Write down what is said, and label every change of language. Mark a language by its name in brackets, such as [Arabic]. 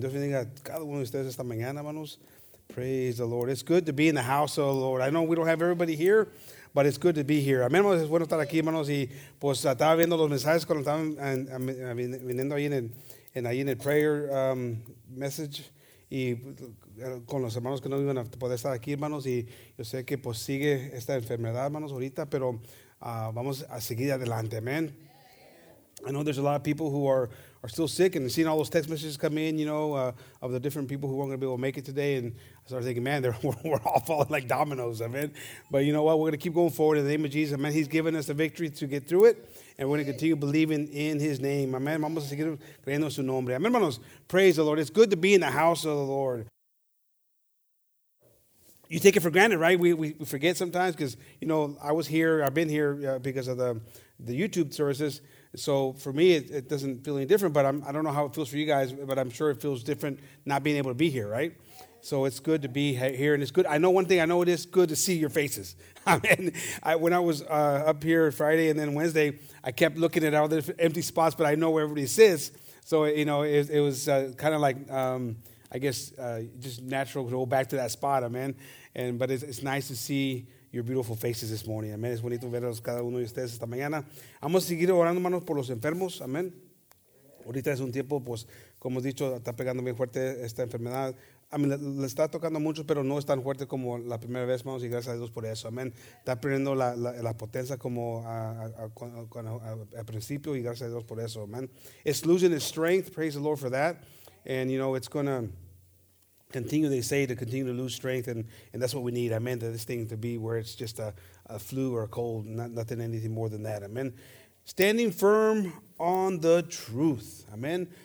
[Spanish] Dios bendiga cada uno de ustedes esta mañana, manos. [English] Praise the Lord. It's good to be in the house of the Lord. I know we don't have everybody here, but it's good to be here. [Spanish] Amen. Es bueno estar aquí, manos. Y pues estaba viendo los mensajes cuando estaban viniendo ahí en el prayer message. Y con los hermanos que no iban a poder estar aquí, hermanos, y yo sé que pues sigue esta enfermedad, hermanos, ahorita, pero vamos a seguir adelante, amen. [English] I know there's a lot of people who are still sick, and seeing all those text messages come in, you know, of the different people who aren't going to be able to make it today, and I started thinking, man, we're all falling like dominoes, amen. But you know what, we're going to keep going forward in the name of Jesus, amen. He's given us the victory to get through it. And we're going to continue believing in his name. Amen. [Spanish] Vamos a seguir creyendo su nombre. [English] Amen, hermanos. Praise the Lord. It's good to be in the house of the Lord. You take it for granted, right? We forget sometimes because, you know, I was here. I've been here because of the YouTube services. So for me, it doesn't feel any different. But I don't know how it feels for you guys. But I'm sure it feels different not being able to be here, right? So it's good to be here, and it's good. I know one thing. I know it is good to see your faces. Amen. When I was up here Friday and then Wednesday, I kept looking at all the empty spots, but I know where everybody sits. So, you know, it was kind of like, just natural to go back to that spot. Amen. But it's nice to see your beautiful faces this morning. Amen. [Spanish] Es bonito verlos cada uno de ustedes esta mañana. Vamos a seguir orando, hermanos, por los enfermos. Amen. Ahorita es un tiempo, pues, como he dicho, está pegando bien fuerte esta enfermedad. A mí le está tocando mucho, pero no es tan fuerte como la primera vez, hermanos, y gracias a Dios por eso. Amén. Está perdiendo la potencia como al principio, y gracias a Dios por eso. [English] Amén. It's losing its strength. Praise the Lord for that. And, you know, it's going to continue, they say, to continue to lose strength, and that's what we need. Amén. This thing to be where it's just a flu or a cold, nothing, anything more than that. Amén. Standing firm on the truth. Amén.